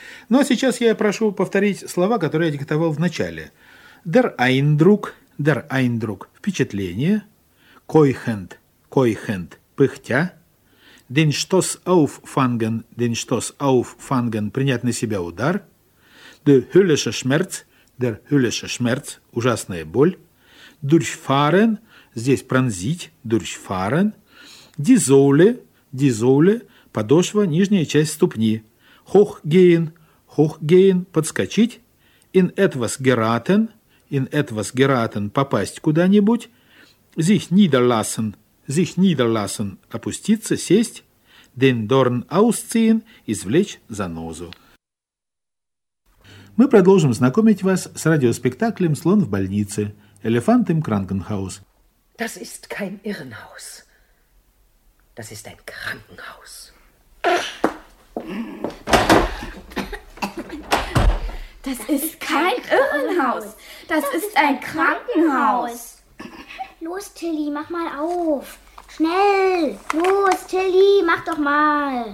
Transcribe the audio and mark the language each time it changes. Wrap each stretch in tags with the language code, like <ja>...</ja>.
<ru>Ну а сейчас я прошу повторить слова, которые я диктовал в начале.</ru> <de>Der Eindruck,</de> <ru>впечатление.</ru> <de>Keuchend, keuchend,</de> <ru>пыхтя.</ru> <de>Den Stoß auffangen,</de> <ru>принять на себя удар.</ru> <de>Der höllische Schmerz,</de> <ru>ужасная боль.</ru> <de>Durchfahren,</de> <ru>здесь пронзить,</ru> <de>durchfahren. Die Sohle,</de> <ru>подошва, нижняя часть ступни.</ru> <de>Hochgehen, hochgehen,</de> <ru>подскочить,</ru> <de>in etwas geraten,</de> <ru>попасть куда-нибудь,</ru> <de>sich niederlassen,</de> <ru>опуститься, сесть,</ru> <de>den Dorn ausziehen,</de> <ru>извлечь занозу. Мы продолжим знакомить вас с радиоспектаклем «Слон в больнице»,</ru> <de>«Elefant im Krankenhaus». Das ist kein Irrenhaus. Das ist ein Krankenhaus. Das ist kein Irrenhaus. Das ist ein Krankenhaus. Los, Tilly, mach mal auf. Schnell. Los, Tilly, mach doch mal.</de>